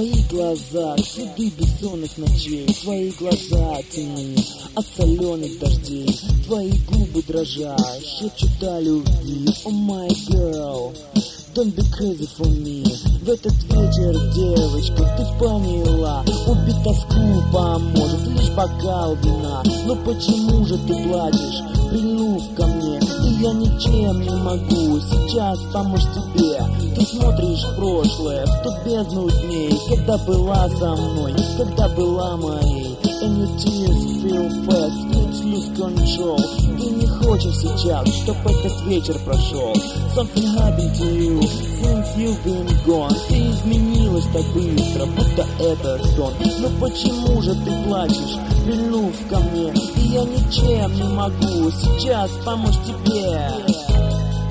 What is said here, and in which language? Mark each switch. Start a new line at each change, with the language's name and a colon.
Russian: глаза, следы бессонных ночей. Твои глаза тени от соленых дождей. Твои губы дрожат, шепчут о любви.
English: Oh my girl, don't be crazy for me.
Russian: В этот вечер, девочка, ты поняла, убит тоску поможет лишь бокал вина. Но почему же ты плачешь, прильнув ко мне? И я ничем не могу сейчас помочь тебе. Ты смотришь в прошлое, в ту бездну дней, когда была со мной, когда была моей.
English: And your tears feel fast, it's lose control.
Russian: Ты не хочешь сейчас, чтоб этот вечер прошел.
English: Something happened to you since you've been gone.
Russian: Ты изменилась так быстро, будто это сон. Но почему же ты плачешь, прильнув ко мне? И я ничем не могу сейчас помочь тебе.